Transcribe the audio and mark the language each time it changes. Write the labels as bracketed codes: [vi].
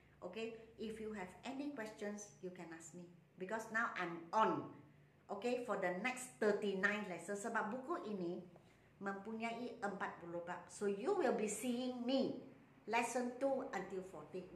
[en] Okay, if you have any questions, you can ask me. Because now I'm on. Okay, for the next 39 lessons. [ms] Sebab buku ini mempunyai 40 bab. [en] So you will be seeing me lesson 2 until 40.